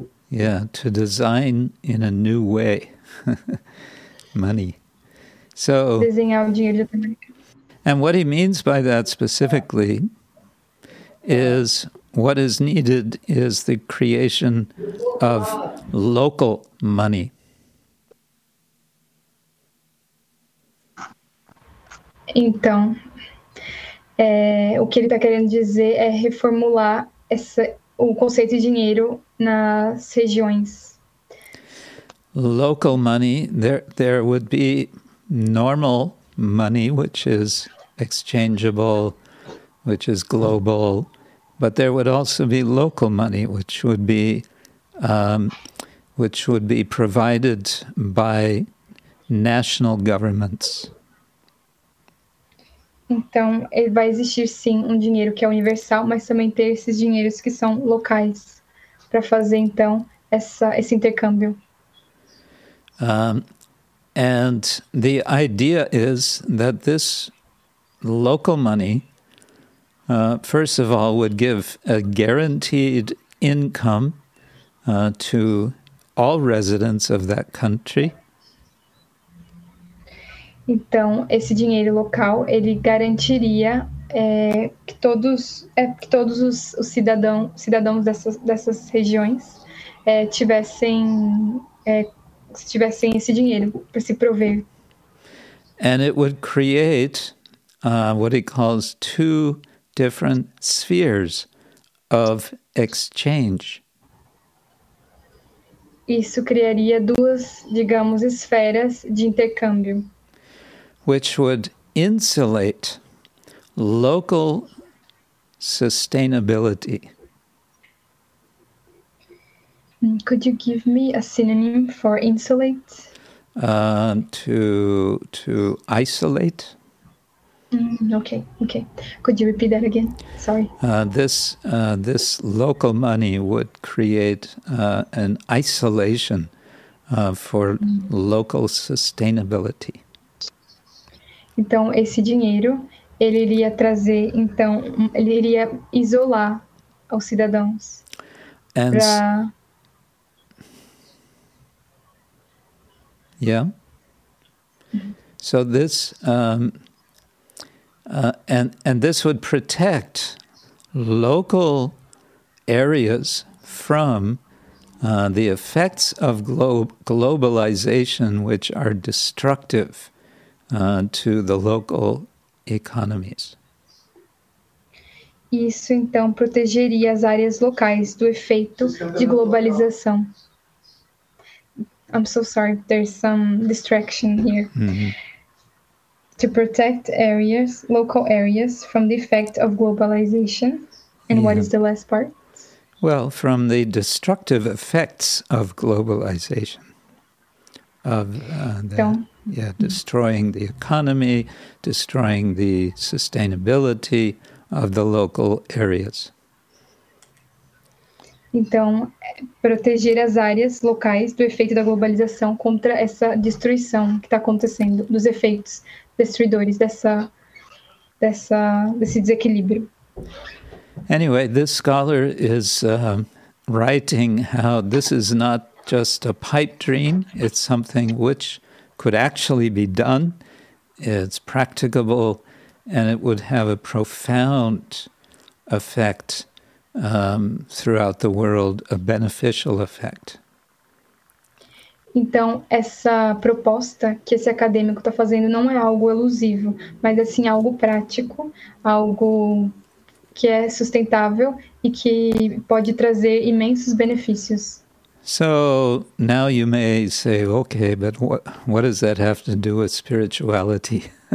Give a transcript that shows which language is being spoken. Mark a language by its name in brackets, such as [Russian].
[English] Yeah, to design in a new way. Money. So, [Portuguese] desenhar o dinheiro de outra maneira. [English] And what he means by that specifically is what is needed is the creation of local money. [Portuguese] Então, o que ele está querendo dizer é reformular o conceito de dinheiro nas regiões. [English] Local money, there would be normal money, which is exchangeable, which is global, but there would also be local money, which would be provided by national governments. [Portuguese] Então, vai existir sim um dinheiro que é universal, mas também ter esses dinheiros que são locais para fazer, então, esse intercâmbio. [English] And the idea is that this local money, first of all, would give a guaranteed income to all residents of that country. [Portuguese] Então, esse dinheiro local, ele garantiria que todos os cidadãos dessas regiões tivessem esse dinheiro para se prover. [English] And it would create what he calls two different spheres of exchange. [Portuguese] Isso criaria duas, digamos, esferas de intercâmbio. [English] Which would insulate local sustainability. Could you give me a synonym for insulate? To isolate. Okay. Could you repeat that again? Sorry. This local money would create an isolation for local sustainability. [Portuguese] Então, esse dinheiro, ele iria trazer, então, ele iria isolar os cidadãos. [English] And pra... Yeah. So this and this would protect local areas from the effects of globalization, which are destructive to the local economies. [Portuguese] Isso então protegeria as áreas locais do efeito de globalização. [English] I'm so sorry, there's some distraction here. Mm-hmm. To protect areas, local areas, from the effect of globalization. And yeah. What is the last part? Well, from the destructive effects of globalization. Of destroying the economy, destroying the sustainability of the local areas. [Portuguese] Então, proteger as áreas locais do efeito da globalização contra essa destruição que está acontecendo, dos efeitos destruidores desse desequilíbrio. [English] Anyway, this scholar is writing how this is not just a pipe dream, it's something which could actually be done, it's practicable, and it would have a profound effect throughout the world, a beneficial effect. [Portuguese] Então, essa proposta que esse acadêmico está fazendo não é algo elusivo, mas assim algo prático, algo que é sustentável e que pode trazer imensos benefícios. [English] So, now you may say, okay, but what does that have to do with spirituality?